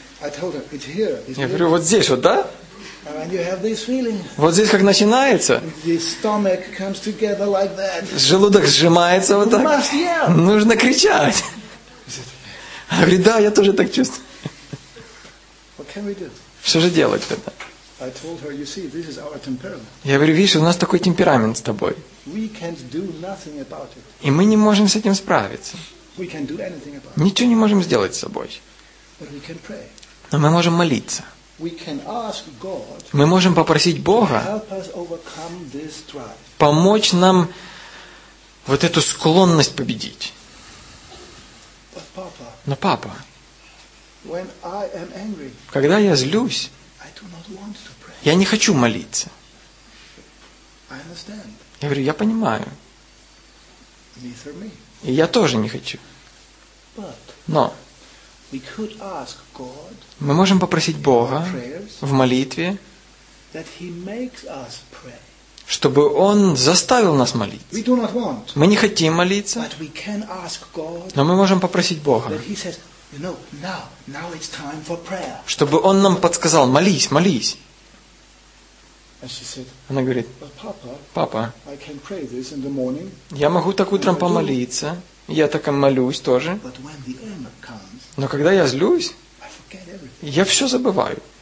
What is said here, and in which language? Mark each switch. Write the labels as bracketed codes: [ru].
[en] I told her, it's here, it's [ru] я говорю, вот здесь вот, да? [en] And you have this feeling. [ru] Вот здесь как начинается. [en] The stomach comes together like that. [ru] Желудок сжимается вот так. [en] You must yell. [ru] Нужно кричать. Она говорит, да, я тоже так чувствую. [en] What can we do? [ru] Что же делать тогда? [en] I told her, you see, this is our temperament. [ru] Я говорю, видишь, у нас такой темперамент с тобой. [en] We can't do nothing about it. [ru] И мы не можем с этим справиться. [en] We can't do anything about it. [ru] Ничего не можем сделать с собой. [en] But we can pray. [ru] Но мы можем молиться. [en] We can ask God, [ru] мы можем попросить Бога [en] help us overcome this drive. [ru] Помочь нам вот эту склонность победить. [en] But, Papa, [ru] но, папа, [en] when I am angry, [ru] когда я злюсь, [en] I do not want to pray. [ru] Я не хочу молиться. [en] I understand. [ru] Я говорю, я понимаю. [en] Neither me. [ru] И я тоже не хочу. [en] But, [ru] но [en] we could ask God, [ru] мы можем попросить Бога в молитве, [en] that he makes us pray, [ru] чтобы Он заставил нас молиться. [en] We do not want, [ru] мы не хотим молиться, [en] but we can ask God, [ru] но мы можем попросить Бога, [en] says, you know, now it's time for prayer. [ru] Чтобы Он нам подсказал, молись, молись. [en] And she said, [ru] она говорит, Папа, [en] I can pray this in the morning, [ru] я могу так утром помолиться, я так и молюсь тоже, [en] but when the anger comes, [ru] но когда я злюсь, [en] I forget everything. [ru] Я все забываю.